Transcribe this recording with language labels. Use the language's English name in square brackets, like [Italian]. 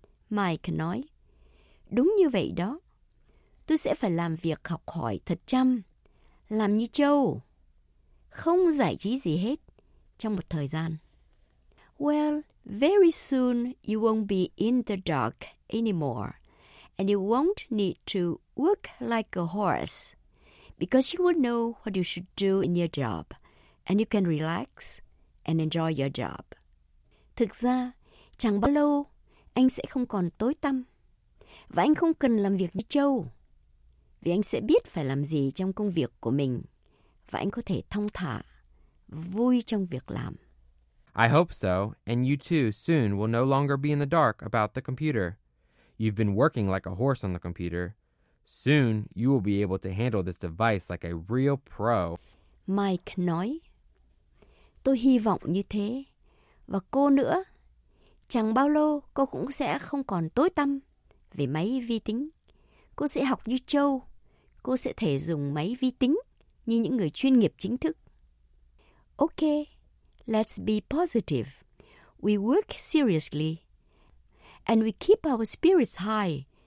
[Vietnamese] Mike nói, đúng như vậy đó. Tôi sẽ phải làm việc học hỏi thật chăm, làm như trâu, không giải trí gì hết trong một thời gian. [English] Well, very soon you won't be in the dark anymore, and you won't need to work like a horse, because you will know what you should do in your job, and you can relax and enjoy your job. [Vietnamese] Thực ra, chẳng bao lâu anh sẽ không còn tối tăm, và anh không cần làm việc như trâu, vì anh sẽ biết phải làm gì trong công việc của mình, và anh có thể thong thả, vui trong việc làm. [English] I hope so, and you too soon will no longer be in the dark about the computer. You've been working like a horse on the computer. Soon, you will be able to handle this device like a real pro. [Vietnamese] Mike nói, tôi hy vọng như thế, và cô nữa. Chẳng bao lâu cô cũng sẽ không còn tối tăm về máy vi tính. Cô sẽ học như trâu. Cô sẽ thể dùng máy vi tính như những người chuyên nghiệp chính thức. [English] Ok, let's be positive. We work seriously and we keep our spirits high.